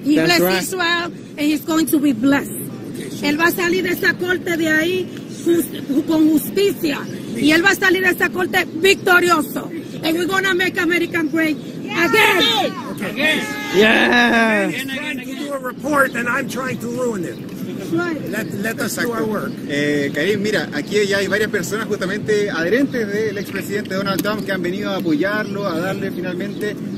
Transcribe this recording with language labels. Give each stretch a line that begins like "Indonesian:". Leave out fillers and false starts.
English: He blessed Israel, and he's going to be blessed.
Spanish: Él va a salir de esa corte de ahí con justicia. Y él va a salir de esa corte victorioso.
English: And we're going to make America great again. Okay. Yeah. Trying to do a report, and I'm trying to ruin it. Let us do our work.
Spanish: Karim, mira, aquí ya hay varias personas justamente adherentes del expresidente Donald Trump que han venido a apoyarlo, a darle finalmente...